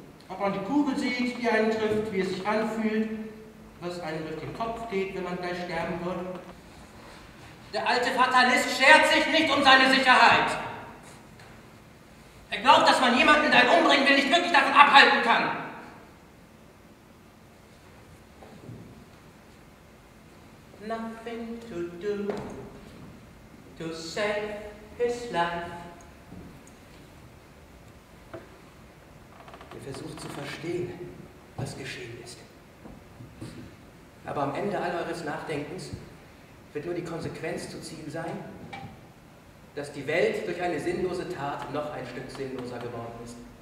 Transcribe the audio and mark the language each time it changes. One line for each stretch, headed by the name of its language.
German: Ob man die Kugel sieht, die einen trifft, wie es sich anfühlt, was einem durch den Kopf geht, wenn man gleich sterben würde. Der alte Fatalist schert sich nicht um seine Sicherheit. Er glaubt, dass man jemanden, der einen umbringen will, nicht wirklich davon abhalten kann.
English: Nothing to do to save his life.
German: Er versucht zu verstehen, was geschehen ist. Aber am Ende all eures Nachdenkens wird nur die Konsequenz zu ziehen sein, dass die Welt durch eine sinnlose Tat noch ein Stück sinnloser geworden ist.